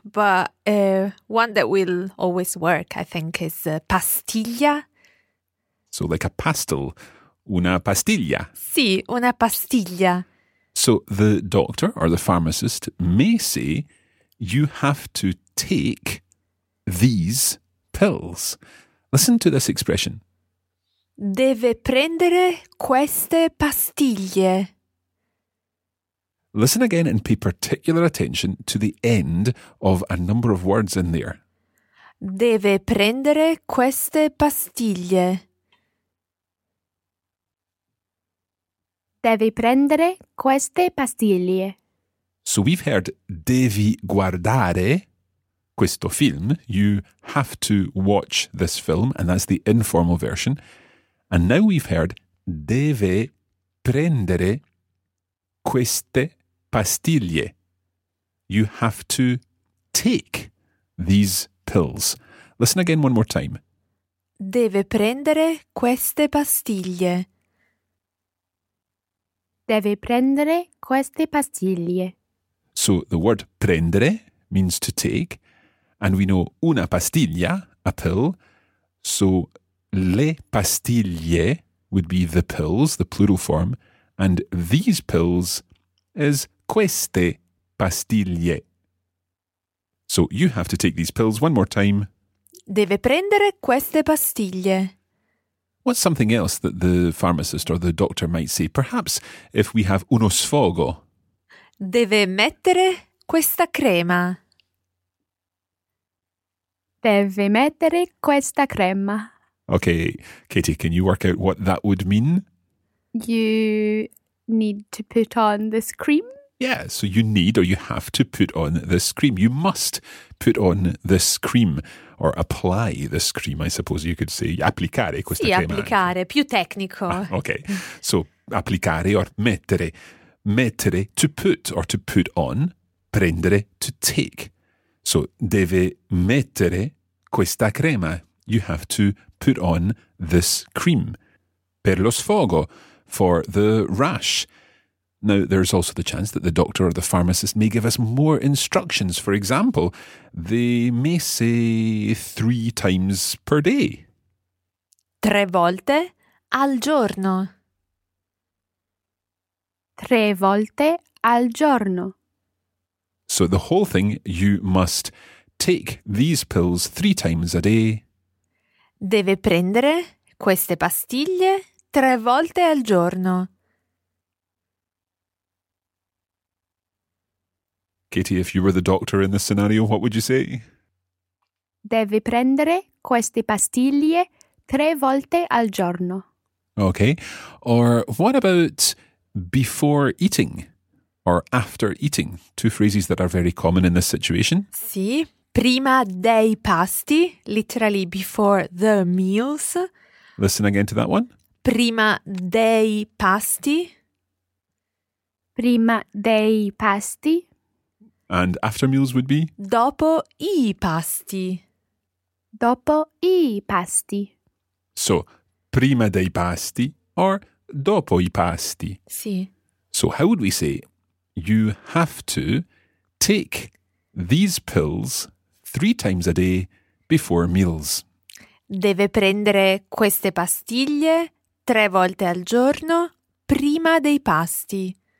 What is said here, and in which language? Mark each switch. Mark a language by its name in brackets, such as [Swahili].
[English] But one that will always work, I think, is pastiglia. So like a pastel [Italian] una pastiglia. Sì, una pastiglia. [English] So the doctor or the pharmacist may say, you have to take these pills. Listen to this expression. [Italian] Deve prendere queste pastiglie. [English] Listen again and pay particular attention to the end of a number of words in there. [Italian] Deve prendere queste pastiglie. Deve prendere queste pastiglie. [English] So we've heard [Italian] devi guardare questo film. [English] You have to watch this film, and that's the informal version. And now we've heard [Italian] deve prendere queste pastiglie. [English] You have to take these pills. Listen again one more time. [Italian] Deve prendere queste pastiglie. Deve prendere queste pastiglie. [English] So the word prendere means to take, and we know una pastiglia, a pill, so le pastiglie would be the pills, the plural form, and these pills is [Italian] queste pastiglie. [English] So you have to take these pills one more time. [Italian] Deve prendere queste pastiglie. [English] What's something else that the pharmacist or the doctor might say? Perhaps if we have uno sfogo. [Italian] Deve mettere questa crema. Deve mettere questa crema. [English] Okay, Katie, can you work out what that would mean? You need to put on this cream. Yeah, so you need or you have to put on this cream. You must put on this cream or apply this cream, I suppose you could say. [Italian] Applicare questa crema. Sì, applicare, più tecnico. [English] Ah, okay, so applicare or mettere. Mettere, to put or to put on. Prendere, to take. [Italian] So deve mettere questa crema. [English] You have to put on this cream. [Italian] Per lo sfogo, [English] for the rash. Now, there's also the chance that the doctor or the pharmacist may give us more instructions. For example, they may say 3 times per day. [Italian] 3 volte al giorno. 3 volte al giorno. [English] So the whole thing, you must take these pills 3 times a day. [Italian] Deve prendere queste pastiglie 3 volte al giorno. [English] Katie, if you were the doctor in this scenario, what would you say? [Italian] Deve prendere queste pastiglie 3 volte al giorno. [English] Okay. Or what about before eating or after eating? 2 phrases that are very common in this situation. [Italian] Sì, prima dei pasti, [English] literally before the meals. Listen again to that one. [Italian] Prima dei pasti. Prima dei pasti. [English] And after meals would be? [Italian] Dopo I pasti. Dopo I pasti. So, prima dei pasti [English] or [Italian] dopo I pasti. Sì. [English] So, how would we say, you have to take these pills 3 times a day before meals? [Italian] Deve prendere queste pastiglie 3 volte al giorno prima dei pasti.